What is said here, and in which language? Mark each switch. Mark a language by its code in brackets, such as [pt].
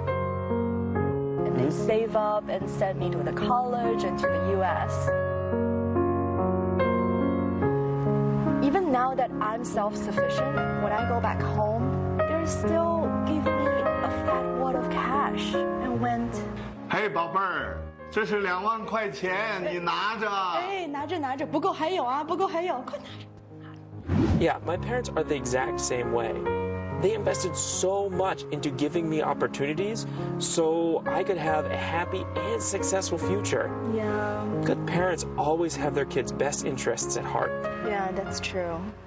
[en] And they save up and send me to the college and to the U.S. Even now that I'm self-sufficient, when I go back home, they still give me a fat wad of cash. [zh] Hey, 宝贝儿，这是20000块钱，你拿着。哎，拿着拿着，不够还有啊，不够还有，快拿着。 [en] Yeah, my parents are the exact same way. They invested so much into giving me opportunities so I could have a happy and successful future. Yeah. Good parents always have their kids' best interests at heart. Yeah, that's true.